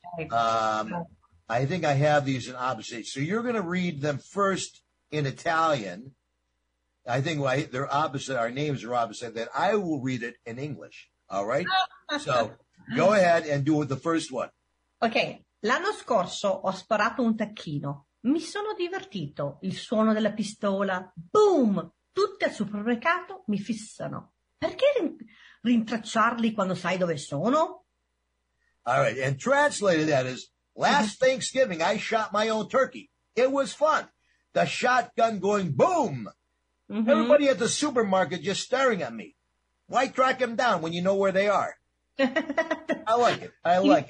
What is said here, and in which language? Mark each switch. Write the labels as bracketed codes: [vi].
[en] Okay. I think I have these in opposite. So you're going to read them first in Italian. I think they're opposite. Our names are opposite. That I will read it in English. All right. So go ahead and do the first one. Okay. [it] L'anno scorso ho sparato un tacchino. Mi sono divertito. Il suono della pistola. Boom! Tutti al supermercato mi fissano. Perché rintracciarli quando sai dove sono? [en] All right. And translated that is, last Thanksgiving I shot my own turkey. It was fun. The shotgun going boom. Mm-hmm. Everybody at the supermarket just staring at me. Why track them down when you know where they are? I like it. I like